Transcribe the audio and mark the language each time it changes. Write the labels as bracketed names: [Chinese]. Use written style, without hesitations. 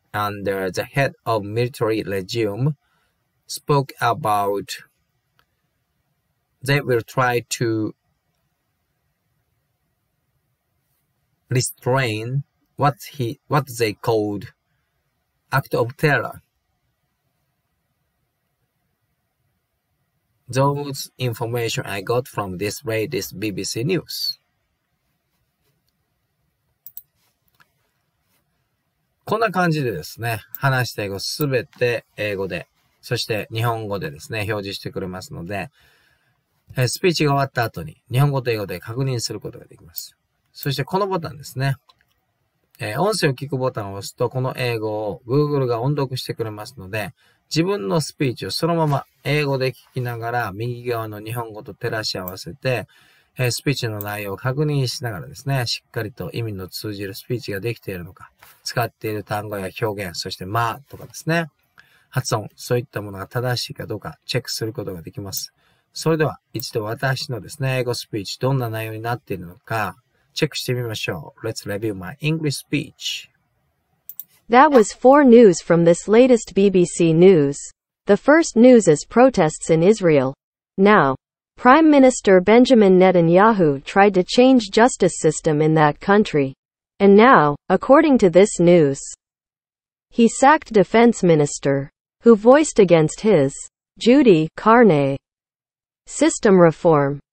[English] And the head of military regime spoke about they will try to restrain what they called act of terror. Those information I got from this latest BBC news. [Japanese] こんな感じでですね、話した英語すべて英語で、そして日本語でですね、表示してくれますので、スピーチが終わった後に日本語と英語で確認することができます。そしてこのボタンですね、音声を聞くボタンを押すと、この英語を Google が音読してくれますので、自分のスピーチをそのまま英語で聞きながら、右側の日本語と照らし合わせて、スピーチの内容を確認しながらですね、しっかりと意味の通じるスピーチができているのか、使っている単語や表現、そして間とかですね、発音、そういったものが正しいかどうかチェックすることができます。それでは一度私のですね、英語スピーチどんな内容になっているのかチェックしてみましょう。 [English] Let's review my English speech. That was four news from this latest BBC news. The first news is protests in Israel. Now,Prime Minister Benjamin Netanyahu tried to change justice system in that country. And now, according to this news, he sacked defense minister, who voiced against his, Judy Carne, system reform.